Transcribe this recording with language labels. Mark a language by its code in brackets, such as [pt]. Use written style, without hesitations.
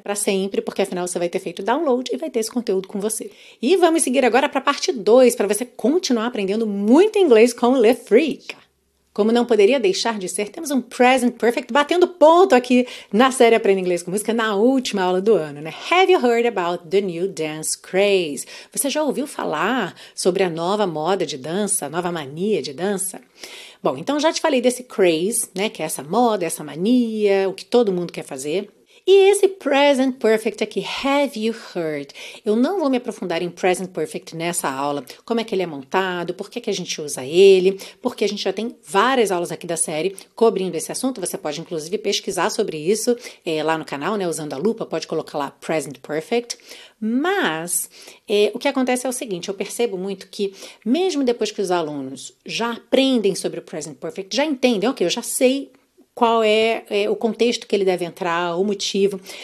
[pt] Para sempre, porque afinal você vai ter feito download e vai ter esse conteúdo com você. E vamos seguir agora para a parte 2, para você continuar aprendendo muito inglês com o Le Freak. Como não poderia deixar de ser, temos um present perfect batendo ponto aqui na série Aprenda Inglês com Música na última aula do ano, né? [en] Have you heard about the new dance craze? [pt] Você já ouviu falar sobre a nova moda de dança, a nova mania de dança? Bom, então já te falei desse craze, né? Que é essa moda, essa mania, o que todo mundo quer fazer. E esse present perfect aqui, [en] have you heard? [pt] Eu não vou me aprofundar em present perfect nessa aula, como é que ele é montado, por que que a gente usa ele, porque a gente já tem várias aulas aqui da série cobrindo esse assunto. Você pode inclusive pesquisar sobre isso lá no canal, né, usando a lupa, pode colocar lá present perfect. Mas o que acontece é o seguinte: eu percebo muito que, mesmo depois que os alunos já aprendem sobre o present perfect, já entendem, ok, eu já sei qual é o contexto que ele deve entrar, o motivo.